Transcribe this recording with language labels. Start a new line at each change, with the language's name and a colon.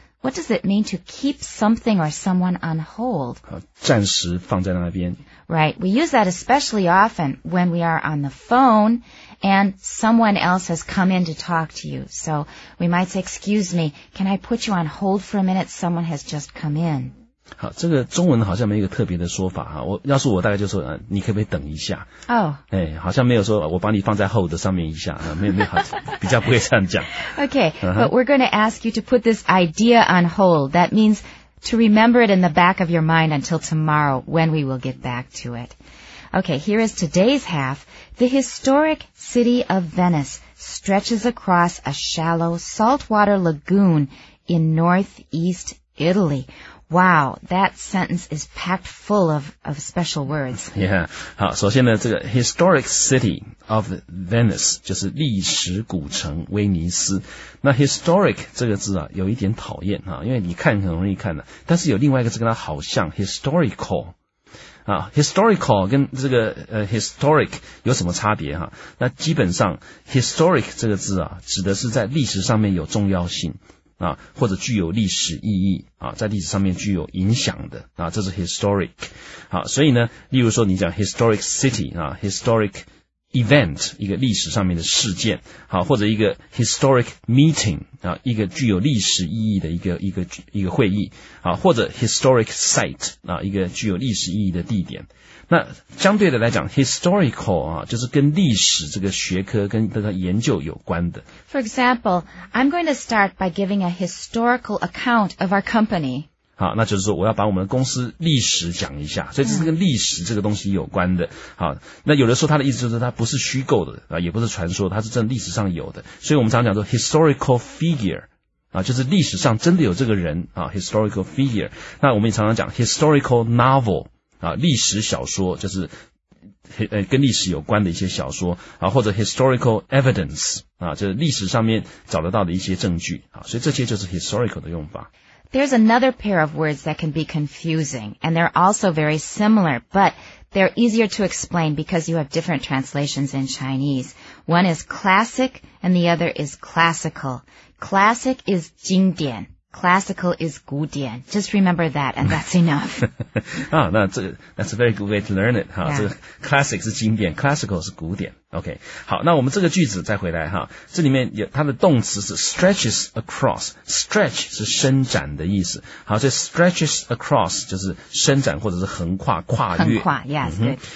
English: What does it mean to keep something or someone on hold?
Chinese: 暂时放在那边。
English: Right. We use that especially often when we are on the phone and someone else has come in to talk to you. So we might say, excuse me, can I put you on hold for a minute? Someone has just come in.
Chinese: 好，这个中文好像没有一个特别的说法哈。我要是我大概就说，你可不可以等一下？哦，哎，好像没有说我把你放在 hold 上面一下啊，没有，好比较不会这样讲。
English: Okay, but we're going to ask you to put this idea on hold. That means... To remember it in the back of your mind until tomorrow when we will get back to it. Okay, here is today's half. The historic city of Venice stretches across a shallow saltwater lagoon in northeast Italy. Wow, that sentence is packed full of special words. Yeah.
Chinese: 好，首先呢，这个 historic city of Venice 就是历史古城威尼斯。那 historic 这个字啊，有一点讨厌啊，因为你看很容易看的。但是有另外一个字跟它好像 historical。啊 ，historical 跟这个historic 有什么差别哈？那基本上 historic 这个字啊，指的是在历史上面有重要性啊，或者具有历史意义啊，在历史上面具有影响的啊，这是 historic。好，所以呢，例如说你讲 historic city 啊 ，historic event 一个历史上面的事件，好，或者一个 historic meeting 啊，一个具有历史意义的一个会议，好，或者 historic site 啊，一个具有历史意义的地点。那相对的来讲 ，historical 啊，就是跟历史这个学科跟这个研究有关的。
English: For example, I'm going to start by giving a historical account of our company.
Chinese: 好，那就是说我要把我们的公司历史讲一下，所以这是跟历史这个东西有关的。好，那有的时候他的意思就是他不是虚构的啊，也不是传说，他是真的历史上有的。所以我们常常讲说 historical figure 啊，就是历史上真的有这个人啊 ，historical figure。那我们也常常讲 historical novel 啊，历史小说就是跟历史有关的一些小说啊，或者 historical evidence 啊，就是历史上面找得到的一些证据啊。所以这些就是 historical 的用法。
English: There's another pair of words that can be confusing, and they're also very similar, but they're easier to explain because you have different translations in Chinese. One is classic, and the other is classical. Classic is 经典 classical is 古典 Just remember that, and that's enough. 啊，那这个 that's a very good way to learn it.
Chinese: 哈，这个 classic 是经典 ，classical 是古典。OK， 好，那我们这个句子再回来哈，这里面有它的动词是 stretches across， stretch 是伸展的意思，好，所以 stretches across 就是伸展或者是横跨跨越，横跨 ，yes，、嗯、对，